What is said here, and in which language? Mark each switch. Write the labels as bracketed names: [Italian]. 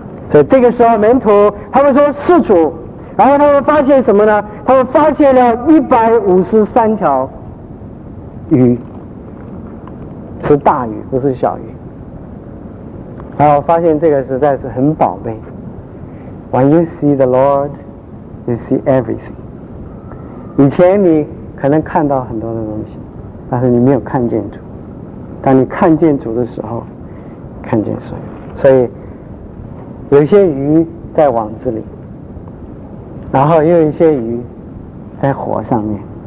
[Chinese] 所以这个时候门徒他们说是主，然后他们发现什么呢？他们发现了153条鱼，是大鱼，不是小鱼。然后发现这个实在是很宝贝。 [English] When you see the Lord, you see everything. [Chinese] 以前你可能看到很多的东西，但是你没有看见主。当你看见主的时候，看见水，所以有些鱼在网子里，然后又有一些鱼在火上面。